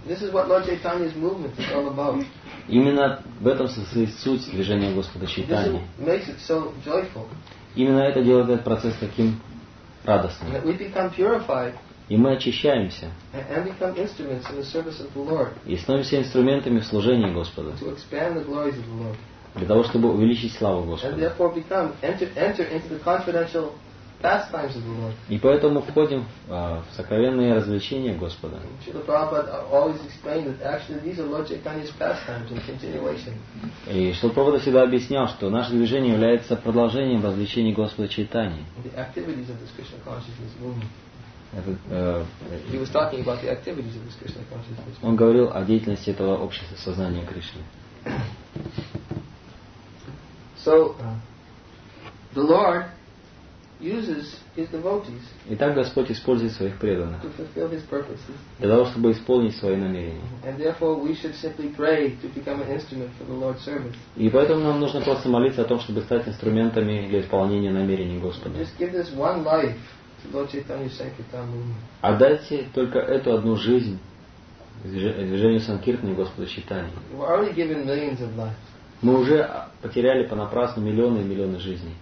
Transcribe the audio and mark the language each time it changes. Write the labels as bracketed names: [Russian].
[English] This is what Lord Chaitanya's movement is all about. [Russian] Именно в этом состоит суть движения Господа Чайтаньи. [English] This makes it so joyful. [Russian] Именно это делает этот процесс таким радостным. [English] That we become purified. [Russian] И мы очищаемся. [English] And become instruments in the service of the Lord. [Russian] И становимся инструментами в служении Господа. [English] To expand the glories of the Lord. [Russian] Для того, чтобы увеличить славу Господа. [English] And therefore become enter into the confidential pastimes of the Lord. [Russian] И поэтому входим в сокровенные развлечения Господа. [English] Srila Prabhupada always explained that actually these are Lord Chaitanya's pastimes in continuation. [Russian] И Srila Prabhupada всегда объяснял, что наше движение является продолжением развлечений Господа Чайтаньи. [English] The activities of this Krishna consciousness movement. [Russian] Этот, [English] he was talking about the activities of this Krishna consciousness. [Russian] Он говорил о деятельности этого общества сознания Кришны. [English] So the Lord uses his devotees. [Russian] Итак, Господь использует своих преданных. [English] To fulfill his purposes. [Russian] Для того, чтобы исполнить свои намерения. [English] And therefore we should simply pray to become an instrument for the Lord's service. [Russian] И поэтому нам нужно просто молиться о том, чтобы стать инструментами для исполнения намерений Господа. [English] Just give this one life. Lord Chaitanya Sankirtan movement. [Russian] Отдайте только эту одну жизнь движению Санкиртаны Господа Чайтаньи. [English] We already given millions of lives. [Russian] Мы уже потеряли понапрасну миллионы и миллионы жизней.